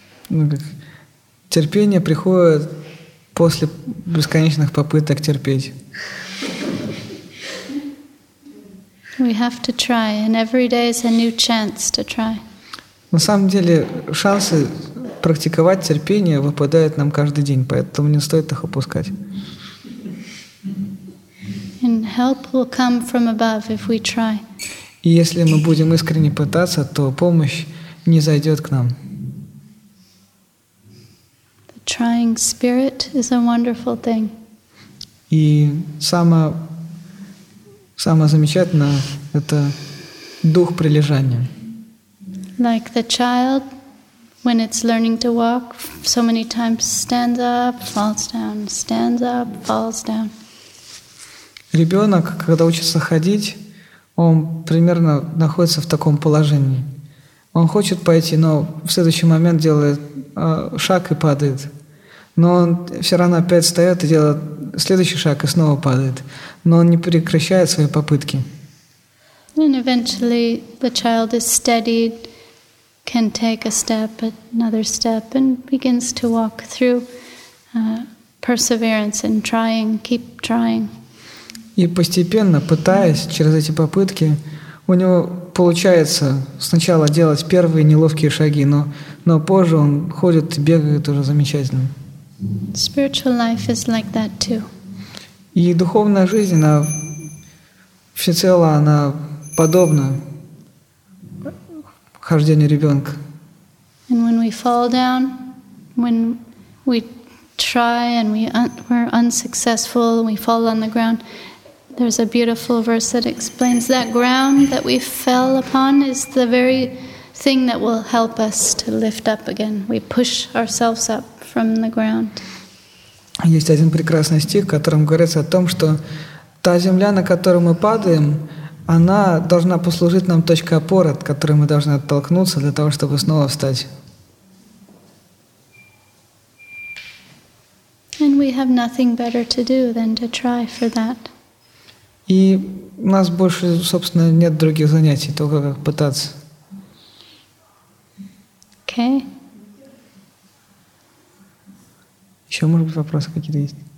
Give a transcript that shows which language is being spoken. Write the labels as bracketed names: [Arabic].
[Russian] Ну, как, терпение приходит после бесконечных попыток терпеть. [English] We have to try, and every day is a new chance to try. [Russian] На самом деле, шансы практиковать терпение выпадают нам каждый день, поэтому не стоит их упускать. [English] And help will come from above if we try. [Russian] И если мы будем искренне пытаться, то помощь не зайдет к нам. [English] The trying spirit is a wonderful thing. [Russian] И самое замечательное — это дух прилежания. [English] Like the child When it's learning to walk, so many times stands up, falls down, stands up, falls down. [Russian] Ребенок, когда учится ходить, он примерно находится в таком положении. Он хочет пойти, но в следующий момент делает шаг и падает. Но он все равно опять встает и делает следующий шаг и снова падает. Но он не прекращает свои попытки. [English] And eventually the child is steadied, can take a step, another step, and begins to walk through perseverance and trying, keep trying. [Russian] И постепенно, пытаясь через эти попытки, у него получается сначала делать первые неловкие шаги, но позже он ходит и бегает уже замечательно. [English] Spiritual life is like that too. [Russian] И духовная жизнь, она всецело, она подобна хождению ребенка. [English] And when we fall down, when we try and we're unsuccessful, we fall on the ground, there's a beautiful verse that explains that ground that we fell upon is the very thing that will help us to lift up again. We push ourselves up from the ground. [Russian] Есть один прекрасный стих, в котором говорится о том, что та земля, на которую мы падаем, она должна послужить нам точкой опоры, от которой мы должны оттолкнуться для того, чтобы снова встать. [English] And we have nothing better to do than to try for that. [Russian] И у нас больше, собственно, нет других занятий, только как пытаться. [English] Okay. [Russian] Еще, может быть, вопросы какие-то есть?